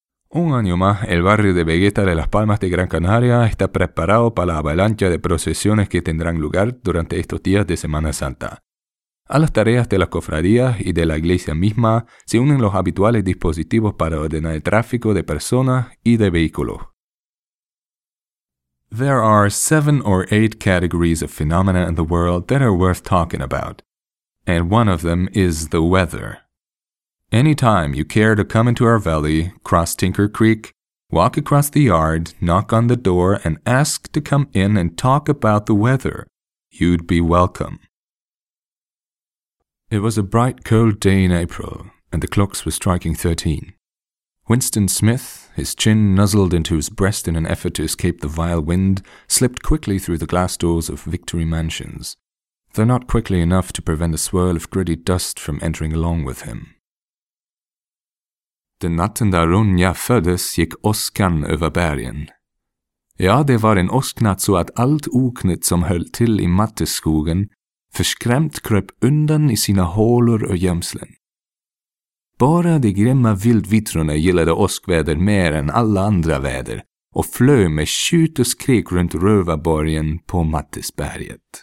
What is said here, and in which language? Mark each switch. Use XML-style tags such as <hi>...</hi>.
<es>Un año más, el barrio de Vegueta de las Palmas de Gran Canaria está preparado para la avalancha de procesiones que tendrán lugar durante estos días de Semana Santa. A las tareas de las cofradías y de la iglesia misma se unen los habituales dispositivos para ordenar el tráfico de personas y de vehículos.</es> <en>There are 7 or 8 categories of phenomena in the world that are worth talking about, and one of them is the weather. Anytime you care to come into our valley, cross Tinker Creek, walk across the yard, knock on the door, and ask to come in and talk about the weather, you'd be welcome. It was a bright, cold day in April, and the clocks were striking 13. Winston Smith, his chin nuzzled into his breast in an effort to escape the vile wind, slipped quickly through the glass doors of Victory Mansions, though not quickly enough to prevent a swirl of gritty dust from entering along with him.</en> <sv>Den natten där Ronja föddes gick åskan över bergen. Ja, det var en åsknatt så att allt oknytt som höll till i matteskogen förskrämt kröp undan i sina hålor och gömslen. Bara de grimma vildvittrorna gillade åskväder mer än alla andra väder och flö med tjut och skrik runt rövarborgen på Mattesberget.</sv>